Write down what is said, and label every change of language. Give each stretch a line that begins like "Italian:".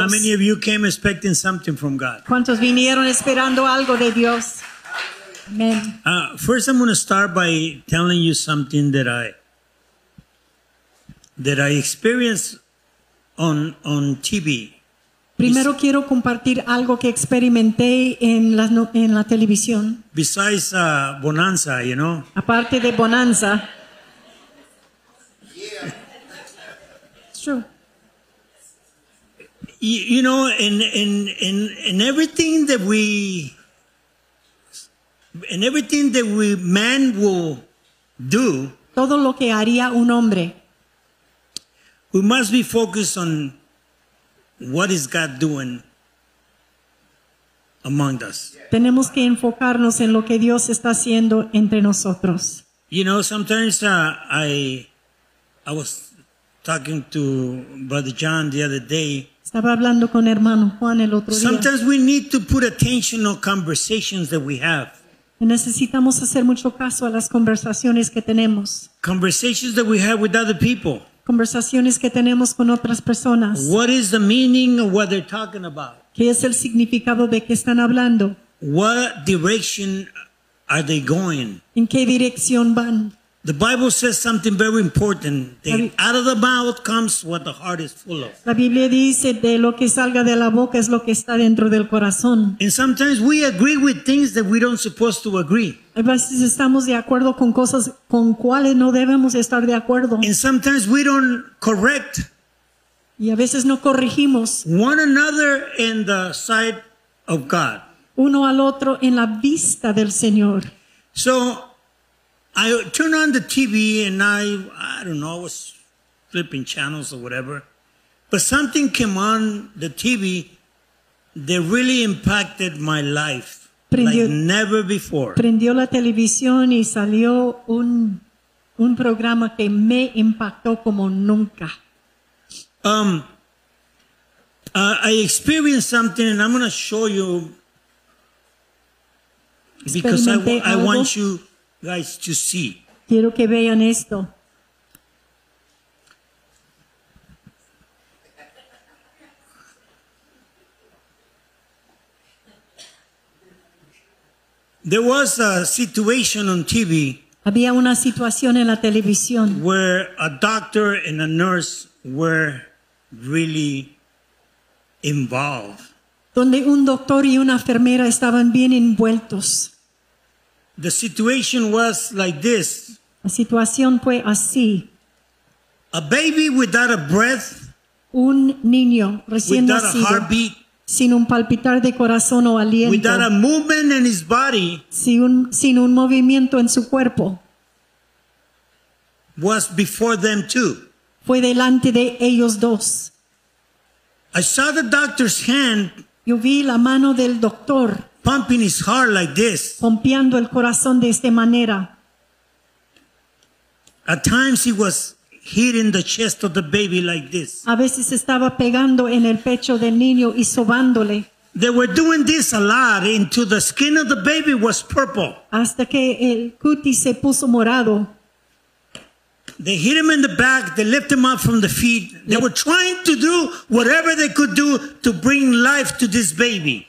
English: How many of you came expecting something from God?
Spanish: ¿Cuántos vinieron esperando algo de Dios? Amen.
English: First, I'm going to start by telling you something that I experienced on TV.
Spanish: Primero quiero compartir algo que experimenté en la televisión.
English: Besides Bonanza, you know.
Spanish: Aparte de Bonanza.
English: Yeah. True. You know, in everything that we man will do.
Spanish: Todo lo que haría un hombre.
English: We must be focused on what is God doing among us.
Spanish: Tenemos que enfocarnos en lo que Dios está haciendo entre nosotros.
English: You know, sometimes I was talking to Brother John the other day.
Spanish: Estaba hablando con hermano Juan el otro día.
English: Sometimes we need to put attention on conversations that we have.
Spanish: Necesitamos hacer mucho caso a las conversaciones que tenemos.
English: Conversations that we have with other people.
Spanish: Conversaciones que tenemos con otras personas.
English: What is the meaning of what they're talking about?
Spanish: ¿Qué es el significado de qué están hablando?
English: What direction are they going?
Spanish: ¿En qué dirección van?
English: The Bible says something very important. Out of the mouth comes what the heart is full of.
Spanish: La Biblia dice de lo que salga de la boca es lo que está dentro del corazón.
English: And sometimes we agree with things that we don't supposed to agree.
Spanish: A veces estamos de acuerdo con cosas con cuales no debemos estar de acuerdo.
English: And sometimes we don't correct.
Spanish: Y a veces no corregimos.
English: One another in the sight of God.
Spanish: Uno al otro en la vista del Señor.
English: So I turned on the TV and I don't know, I was flipping channels or whatever. But something came on the TV that really impacted my life like never before.
Spanish: Prendió la televisión y salió un programa que me impactó como nunca.
English: I experienced something and I'm going to show you because I want you guys to see.
Spanish: Quiero que vean esto.
English: There was a situation on TV.
Spanish: Había una situación en la televisión.
English: Where a doctor and a nurse were really involved.
Spanish: Donde un doctor y una enfermera estaban bien envueltos.
English: The situation was like this.
Spanish: La situación fue así.
English: A baby without a breath.
Spanish: Un niño recién
English: without
Spanish: nacido.
English: Without a heartbeat.
Spanish: Sin un palpitar de corazón o aliento.
English: Without a movement in his body.
Spanish: Sin un movimiento en su cuerpo.
English: Was before them too.
Spanish: Fue delante de ellos dos.
English: I saw the doctor's hand.
Spanish: Yo vi la mano del doctor.
English: Pumping his heart like this.
Spanish: Pompeando el corazón de esta manera.
English: At times he was hitting the chest of the baby like this.
Spanish: A veces estaba pegando en el pecho del niño y sobándole.
English: They were doing this a lot until the skin of the baby was purple.
Spanish: Hasta que el cutis se puso morado.
English: They hit him in the back. They lift him up from the feet. They were trying to do whatever they could do to bring life to this baby.